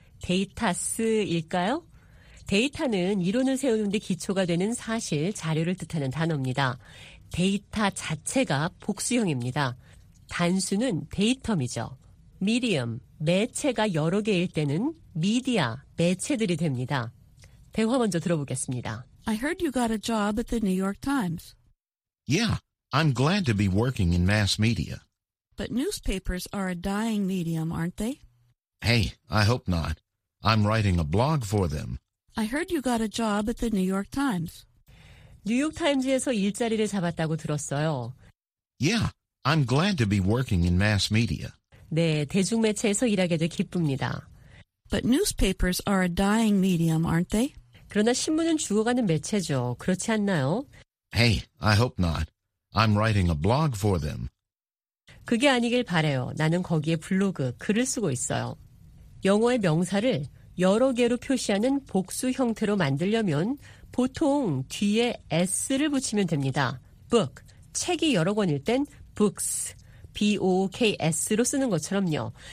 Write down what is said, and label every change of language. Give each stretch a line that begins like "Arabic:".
Korean: 데이터스일까요? 데이터는 이론을 세우는 데 기초가 되는 사실, 자료를 뜻하는 단어입니다. 데이터 자체가 복수형입니다. 단수는 데이텀이죠. 미디엄, 매체가 여러 개일 때는 미디아, 매체들이 됩니다. 대화 먼저 들어보겠습니다.
English: I heard you got a job at the New York Times. Yeah, I'm glad to be working in mass media. But newspapers are a dying medium, aren't they? Hey, I hope not. I'm writing a blog for them. I heard you got a job at the New York Times.
Korean: 뉴욕타임즈에서 일자리를 잡았다고 들었어요.
English: Yeah, I'm glad to be working in mass media.
Korean: 네, 대중매체에서 일하게 돼 기쁩니다.
English: But newspapers are a dying medium, aren't they?
Korean: 그러나 신문은 죽어가는 매체죠. 그렇지 않나요?
English: Hey, I hope not. I'm writing a blog for them.
Korean: 그게 아니길 바래요. 나는 거기에 블로그, 글을 쓰고 있어요. 영어의 명사를 여러 개로 표시하는 복수 형태로 만들려면 보통 뒤에 S를 붙이면 됩니다. Book, 책이 여러 권일 땐 books, B-O-O-K-S로 쓰는 것처럼요.